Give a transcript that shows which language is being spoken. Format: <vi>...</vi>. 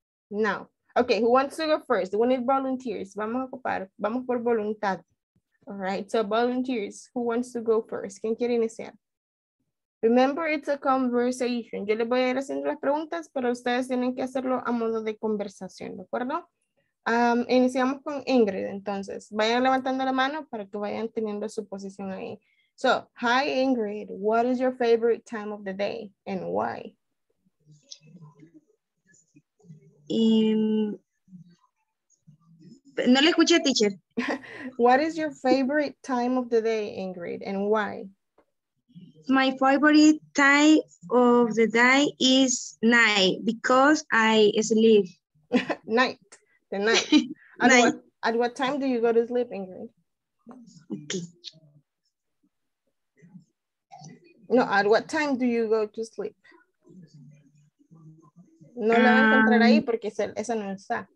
<en>Now, okay, who wants to go first? We need volunteers.</en> <es>Vamos a ocupar, vamos por voluntad.</es> <en>All right, so volunteers, who wants to go first?</en> <es>¿Quién quiere iniciar?</es> <en>Remember, it's a conversation.</en> <es>Yo les voy a ir haciendo las preguntas, pero ustedes tienen que hacerlo a modo de conversación, ¿de acuerdo? Iniciamos con Ingrid, entonces. Vayan levantando la mano para que vayan teniendo su posición ahí.</es> <en>So, hi Ingrid, what is your favorite time of the day and why?</en> <es>No le escuché, teacher.</es> <en>What is your favorite time of the day, Ingrid, and why? My favorite time of the day is night because I sleep. Night, the night. Night. At what time do you go to sleep, Ingrid? Okay. No, at what time do you go to sleep?</en> <es>No la voy a encontrar ahí porque esa no está.</es>